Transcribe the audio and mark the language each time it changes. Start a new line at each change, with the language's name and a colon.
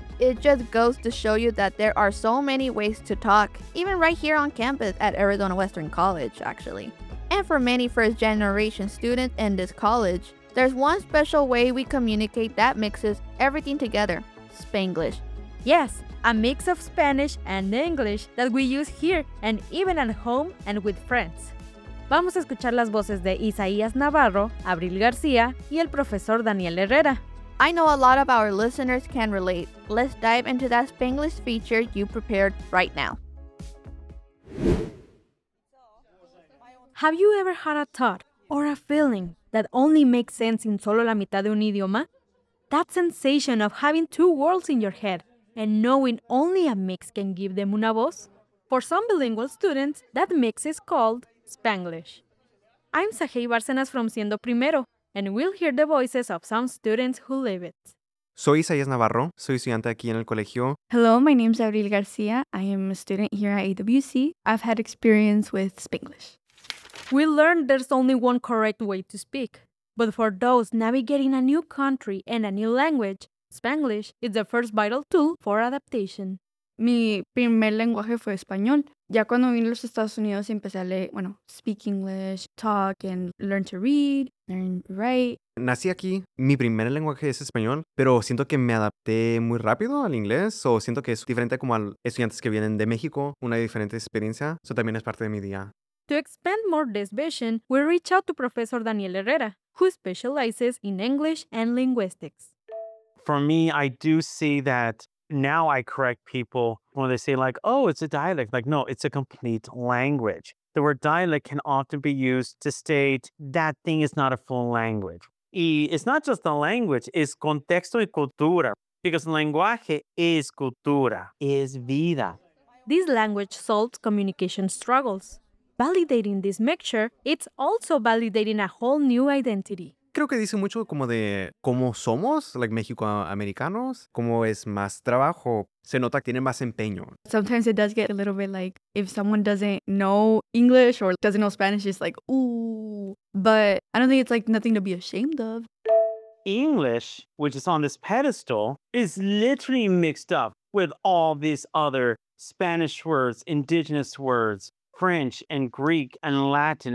English: It just goes to show you that there are so many ways to talk, even right here on campus at Arizona Western College, actually. And for many first-generation students in this college, there's one special way we communicate that mixes everything together, Spanglish. Yes, a mix of Spanish and English that we use here and even at home and with friends.
Spanish: Vamos a escuchar las voces de Isaías Navarro, Abril García, y el profesor Daniel Herrera.
English: I know a lot of our listeners can relate. Let's dive into that Spanglish feature you prepared right now. Have you ever had a thought or a feeling that only makes sense in
Spanish: solo la mitad de un idioma?
English: That sensation of having two worlds in your head and knowing only a mix can give them
Spanish: una voz?
English: For some bilingual students, that mix is called Spanglish. I'm Sahei Bárcenas from Siendo Primero, and we'll hear the voices of some students who live it.
Spanish: Soy Isaías Navarro, soy estudiante aquí en el colegio.
English: Hello, my name is Abril García. I am a student here at AWC. I've had experience with Spanglish. We learned there's only one correct way to speak. But for those navigating a new country and a new language, Spanglish is the first vital tool for adaptation.
Spanish: Mi primer lenguaje fue español. Ya cuando vine a los Estados Unidos, empecé a leer, bueno,
English: speak English, talk, and learn to read, learn to write.
Spanish: Nací aquí. Mi primer lenguaje es español, pero siento que me adapté muy rápido al inglés. O siento que es diferente como a estudiantes que vienen de México, una diferente experiencia. Eso también es parte de mi día.
English: To expand more this vision, we reach out to Professor Daniel Herrera, who specializes in English and linguistics. For me, I do see that now I correct people when they say like, oh, it's a dialect. Like, no, it's a complete language. The word dialect can often be used to state that thing is not a full language. Y it's not just the language, it's
Spanish: contexto y cultura.
English: Because lenguaje is cultura, is vida. This language solves communication struggles. Validating this mixture, it's also validating a whole new identity.
Spanish: Creo que dice mucho como de cómo somos, like mexicoamericanos, cómo es más trabajo, se nota que tiene más empeño.
English: Sometimes it does get a little bit like, if someone doesn't know English or doesn't know Spanish, it's like, ooh. But I don't think it's like nothing to be ashamed of. English, which is on this pedestal, is literally mixed up with all these other Spanish words, indigenous words, French and Greek and Latin.